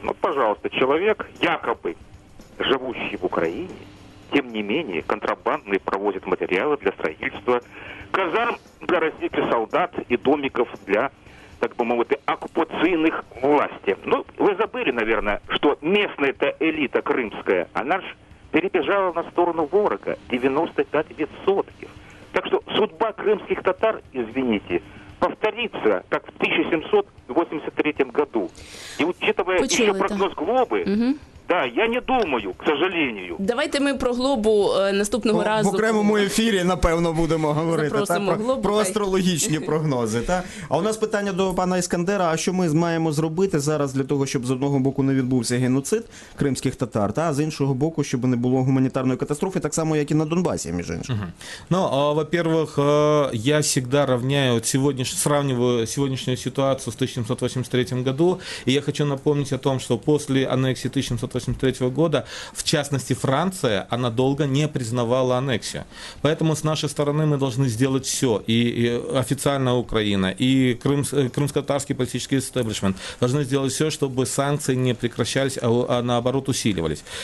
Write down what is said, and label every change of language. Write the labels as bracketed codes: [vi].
[uk] Ну, пожалуйста, чоловік, якоби живущий в Україні, [ru] тим не менее, [uk] контрабандний проводить матеріали для строїльства, казарм для російських солдат і домиків для, так би мовити, окупаційних власті. Ну, ви забули, мабуть, що місцева еліта кримська, вона ж перебіжала на сторону ворога 95%. [ru] Так что судьба крымских татар, извините, повторится, как в 1783 году. И учитывая еще прогноз Глобы... Угу. Да, я не думаю, к сожалению. [uk] Давайте ми про Глобу наступного разу. В окремому ефірі, напевно, будемо говорити про астрологічні прогнози. Та? А у нас питання до пана Іскандера, а що ми маємо зробити зараз для того, щоб з одного боку не відбувся геноцид кримських татар, та з іншого боку, щоб не було гуманітарної катастрофи, так само, як і на Донбасі, між іншим. Угу. [ru] Ну, во-первых, [uk] я завжди рівняю, сравнюю сьогоднішню ситуацію з 1783 году, і я хочу напомнити о том, що після анексії 1783 года, [ru] в частности Франция, она долго не признавала аннексию. Поэтому с нашей стороны мы должны сделать все. И официальная Украина, и крымско-татарский политический эстеблишмент должны сделать все, чтобы санкции не прекращались, а наоборот усиливались.